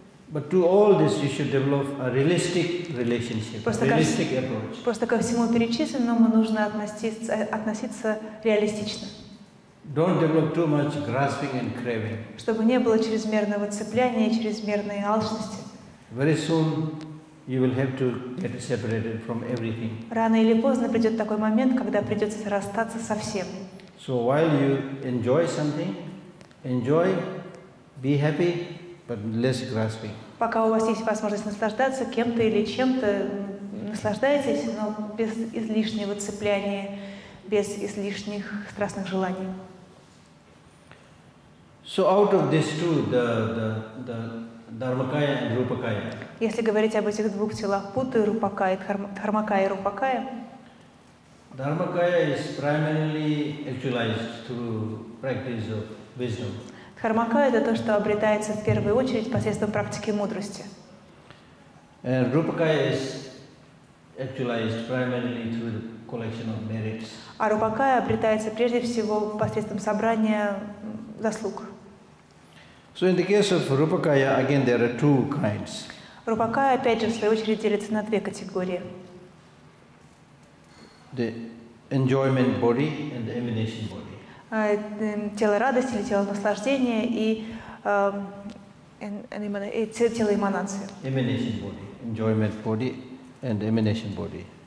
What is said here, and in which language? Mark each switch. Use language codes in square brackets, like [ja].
[en] But to all this you should develop a realistic relationship, [ru] просто [en] realistic approach. [ru] Просто ко всему перечисленному нужно относиться реалистично. [en] Don't develop too much grasping and craving. [ru] Чтобы не было чрезмерного цепляния, чрезмерной алчности. [en] Very soon you will have to get separated from everything. [ru] Рано или поздно придет такой момент, когда придется расстаться со всем. [en] So while you enjoy something, enjoy, be happy, but less grasping. [ru] Пока у вас есть возможность наслаждаться кем-то или чем-то, наслаждайтесь, но без излишнего цепляния, без излишних страстных желаний. [en] So out of these two, the Dharmakaya and Rupakaya. [ru] Если говорить об этих двух телах, Путы, Рупакая, Дхармакая и Рупакая. [en] Dharmakaya is primarily actualized through practice of wisdom. [ru] Dharmakaya — это то, что обретается в первую очередь посредством практики мудрости. [en] And Rupakaya is actualized primarily through the collection of merits. [ru] А Рупакая обретается прежде всего посредством собрания заслуг. [en] So in the case of Rupakaya, again there are two kinds. [ru] Рупакая, опять же, в свою очередь делится на две категории. [en] The enjoyment body and the emanation body. [ru] Тело радости или тело наслаждения и тело эманации. [en] Emanation body, enjoyment body and emanation body.